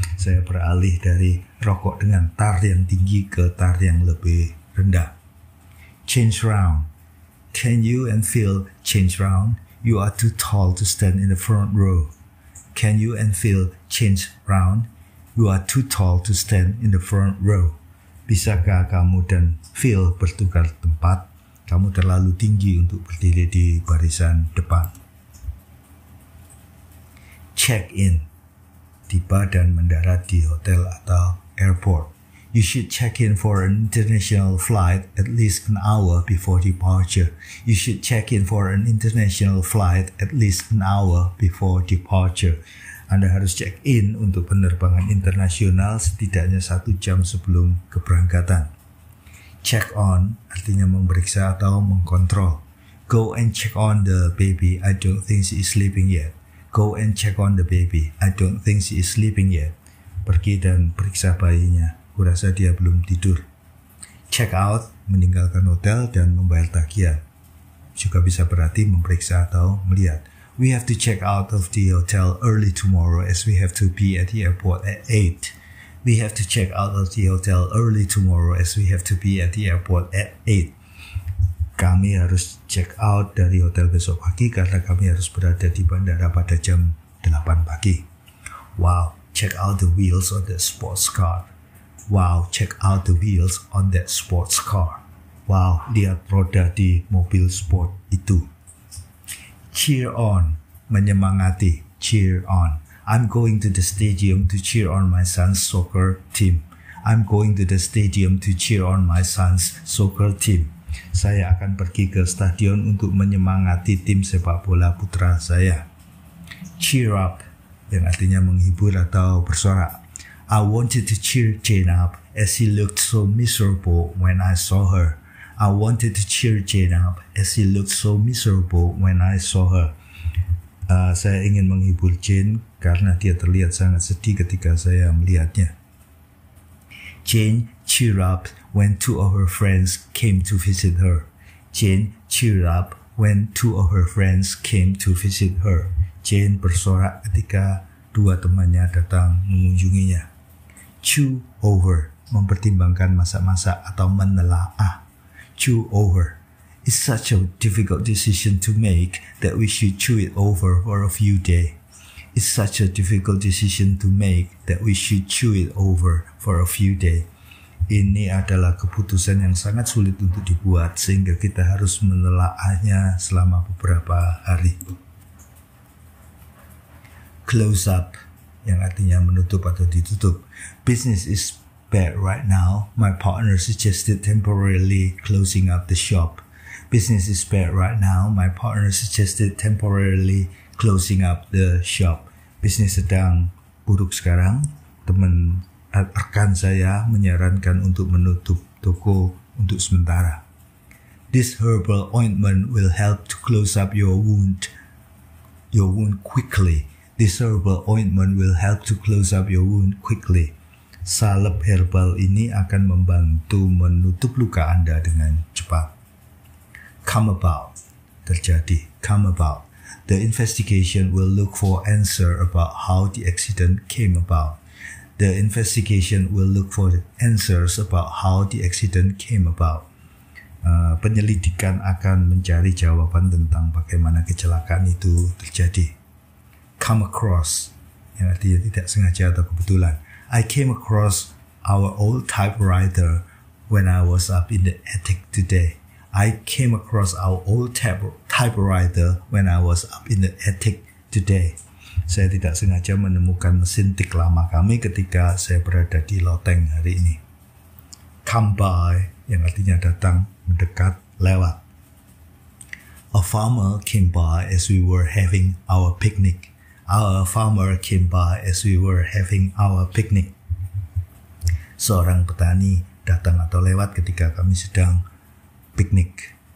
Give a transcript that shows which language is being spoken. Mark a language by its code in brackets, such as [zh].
[id] Saya beralih dari rokok dengan tar yang tinggi ke tar yang lebih rendah. [en] Change round. Can you and Phil change round? You are too tall to stand in the front row. Can you and Phil change round? You are too tall to stand in the front row. [id] Bisakah kamu dan Phil bertukar tempat? Kamu terlalu tinggi untuk berdiri di barisan depan. Check in. Tiba dan mendarat di hotel atau airport. [en] You should check in for an international flight at least an hour before departure. You should check in for an international flight at least an hour before departure. [id] Anda harus check in untuk penerbangan internasional setidaknya 1 jam sebelum keberangkatan. Check on artinya memeriksa atau mengkontrol. [en] Go and check on the baby. I don't think she is sleeping yet. Go and check on the baby. I don't think she is sleeping yet. [id] Pergi dan periksa bayinya. Kurasa dia belum tidur. Check out, meninggalkan hotel dan membayar tagihan. Juga bisa berarti memeriksa atau melihat. [en] We have to check out of the hotel early tomorrow as we have to be at the airport at 8. We have to check out of the hotel early tomorrow as we have to be at the airport at 8. [id] Kami harus check out dari hotel besok pagi karena kami harus berada di bandara pada jam 8 pagi. [en] Wow, check out the wheels on that sports car. Wow, check out the wheels on that sports car. [id] Wow, lihat roda di mobil sport itu. [en] Cheer on, menyemangati, cheer on. I'm going to the stadium to cheer on my son's soccer team. I'm going to the stadium to cheer on my son's soccer team. [id] Saya akan pergi ke stadion untuk menyemangati tim sepak bola putra saya. Cheer up, yang artinya menghibur atau bersorak. [en] I wanted to cheer Jane up as she looked so miserable when I saw her. I wanted to cheer Jane up as she looked so miserable when I saw her. [id] Saya ingin menghibur Jane karena dia terlihat sangat sedih ketika saya melihatnya. [en] Jane cheer up when two of her friends came to visit her. Jane cheer up when two of her friends came to visit her. [id] Jane bersorak ketika dua temannya datang mengunjunginya. Chew over, mempertimbangkan masak-masak atau menelaah. Chew over. [en] It's such a difficult decision to make that we should chew it over for a few days. It's such a difficult decision to make that we should chew it over for a few days. [id] Ini adalah keputusan yang sangat sulit untuk dibuat sehingga kita harus menelaahnya selama beberapa hari. Close up, yang artinya menutup atau ditutup. [en] Business is bad right now. My partner suggested temporarily closing up the shop. Business is bad right now. My partner suggested temporarily closing up the shop. [id] Bisnis sedang buruk sekarang. Teman rekan saya menyarankan untuk menutup toko untuk sementara. [en] This herbal ointment will help to close up your wound quickly. This herbal ointment will help to close up your wound quickly. [id] Salep herbal ini akan membantu menutup luka Anda dengan cepat. [en] Come about, terjadi. Come about. The investigation will look for answer about how the accident came about. The investigation will look for answers about how the accident came about. [id] Penyelidikan akan mencari jawaban tentang bagaimana kecelakaan itu terjadi. come across, yang artinya tidak sengaja atau kebetulan. [en] I came across our old typewriter when I was up in the attic today. I came across our old typewriter when I was up in the attic today. [id] Saya tidak sengaja menemukan mesin tik lama kami ketika saya berada di loteng hari ini. Come by, yang artinya datang, mendekat, lewat. [en] A farmer came by as we were having our picnic. Our farmer came by as we were having our picnic. [id] Seorang petani datang atau lewat ketika kami sedang piknik.